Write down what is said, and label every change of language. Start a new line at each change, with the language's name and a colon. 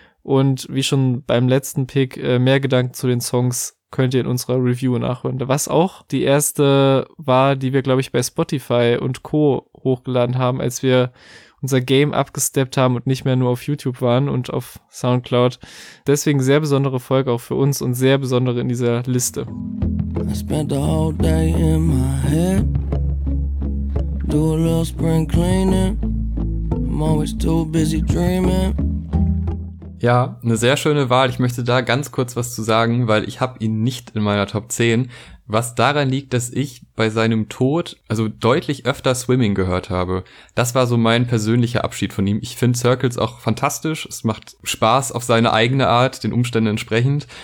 German: Und wie schon beim letzten Pick, mehr Gedanken zu den Songs könnt ihr in unserer Review nachhören. Was auch die erste war, die wir, glaube ich, bei Spotify und Co. hochgeladen haben, als wir unser Game abgesteppt haben und nicht mehr nur auf YouTube waren und auf Soundcloud. Deswegen sehr besondere Folge auch für uns und sehr besondere in dieser Liste.
English: I spent the whole day in my head. Do a little spring cleaning. I'm always too busy dreaming.
German: Ja, eine sehr schöne Wahl. Ich möchte da ganz kurz was zu sagen, weil ich habe ihn nicht in meiner Top 10. Was daran liegt, dass ich bei seinem Tod also deutlich öfter Swimming gehört habe. Das war so mein persönlicher Abschied von ihm. Ich finde Circles auch fantastisch. Es macht Spaß auf seine eigene Art, den Umständen entsprechend.